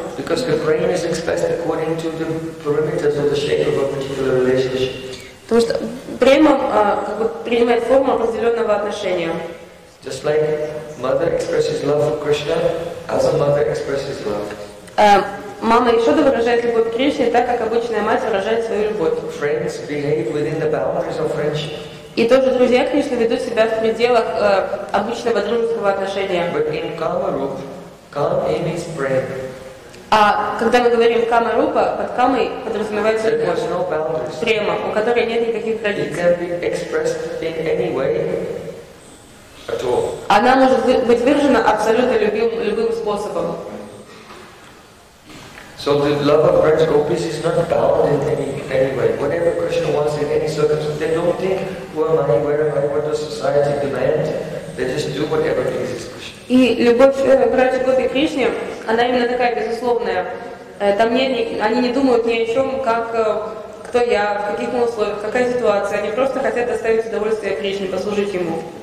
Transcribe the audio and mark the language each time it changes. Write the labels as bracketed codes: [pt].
[en] Because the brain is expressed according to the parameters of the shape of a particular relationship. [ru] Потому что према как бы принимает форму определенного отношения. [en] Just like mother expresses love for Krishna, as a mother expresses love. [ru] Мама Яшода выражает любовь к Кришне так, как обычная мать выражает свою любовь. [en] Friends behave within the boundaries of friendship. [ru] И тоже друзья Кришны ведут себя в пределах обычного дружеского отношения. [en] But in Kama Rupa, Kama means friend. [ru] А когда мы говорим Кама Рупа, под Камой подразумевается любовь. [en] No boundaries. [ru] Према, у которой нет никаких границ. [en] It can be expressed in any way. At all. [ru] Она может быть выражена абсолютно любым способом. [en] So the love of Raj Gopis is not bound in any way. Whatever Krishna wants in any circumstance, they don't think, who am I, where am I, what does society demand? They just do whatever pleases Krishna. [ru] И любовь к Раджа Гопи Кришне, она именно такая безусловная. Там нет, они не думают ни о чем, как кто я, в каких условиях, какая ситуация. Они просто хотят доставить удовольствие Кришне, послужить ему.